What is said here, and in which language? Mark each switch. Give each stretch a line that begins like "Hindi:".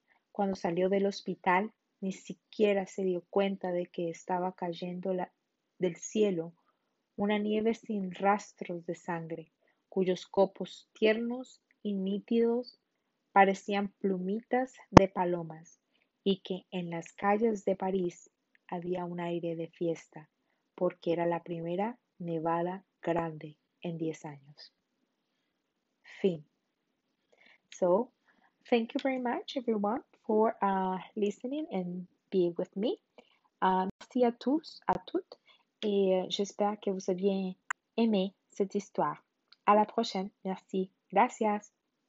Spanish: Cuando salió del hospital, ni siquiera se dio cuenta de que estaba cayendo del cielo una nieve sin rastros de sangre, cuyos copos tiernos y nítidos parecían plumitas de palomas, y que en las calles de París había un aire de fiesta, porque era la primera nevada grande. en 10 años. Fin.
English: So, thank you very much, everyone, for listening and being with me.
French: Merci à tous, à toutes, et j'espère que vous avez aimé cette histoire. À la prochaine. Merci.
Spanish: Gracias.